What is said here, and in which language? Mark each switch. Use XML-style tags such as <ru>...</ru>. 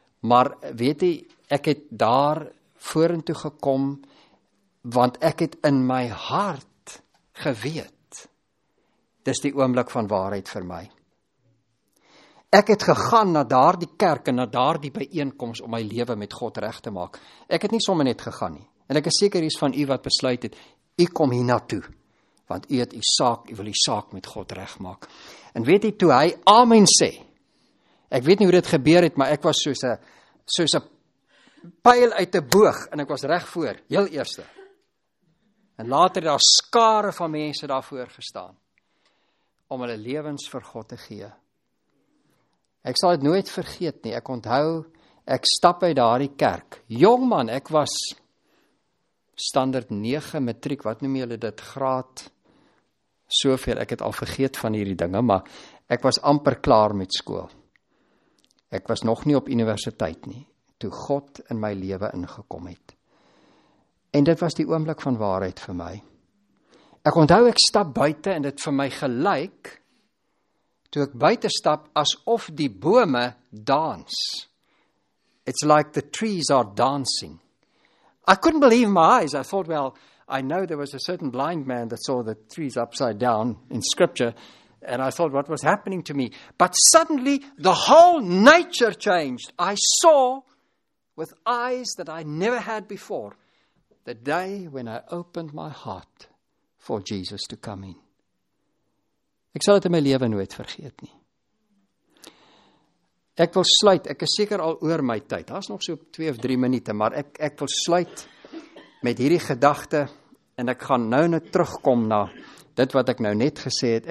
<af>Maar weet jy, ek het daar vorentoe gekom, want ek het in my hart geweet, dis die oomblik van waarheid vir my. Ek het gegaan na daardie kerk en na daardie bijeenkomst om my lewe met God reg te maak. Ek het nie sommer net gegaan nie. En ek is seker iets van u wat besluit het, u kom hier naartoe, want u het u saak, u wil u saak met God reg maak. En weet u, toe hy amen sê, ek weet nie hoe dit gebeur het, maar ek was soos 'n pijl uit 'n boog en ek was reg voor, heel eerste. En later daar skare van mense daarvoor gestaan om hulle lewens vir God te gee. Ek sal dit nooit vergeet nie, ek onthou, ek stap uit daardie kerk. Jongman, ek was standaard 9 matriek, wat noem julle dit, graad, soveel, ek het al vergeet van hierdie dinge, maar ek was amper klaar met skool. Ek was nog nie op universiteit nie, toe God in my lewe ingekom het. En dit was die oomblik van waarheid vir my. Ek onthou, ek stap buiten en dit vir my gelyk, toe ek buite stap, asof die bome dans.</af> <en>It's like the trees are dancing. I couldn't believe my eyes. I thought, well, I know there was a certain blind man that saw the trees upside down in scripture, and I thought, what was happening to me? But suddenly, the whole nature changed. I saw with eyes that I never had before, the day when I opened my heart for Jesus to come in.</en> <af>Ek sal dit in my lewe nooit vergeet nie. Ek wil sluit, ek is seker al oor my tyd, daar is nog so 2 of 3 minute, maar ek wil sluit met hierdie gedagte, en ek gaan nou net terugkom na dit wat ek nou net gesê het.</af>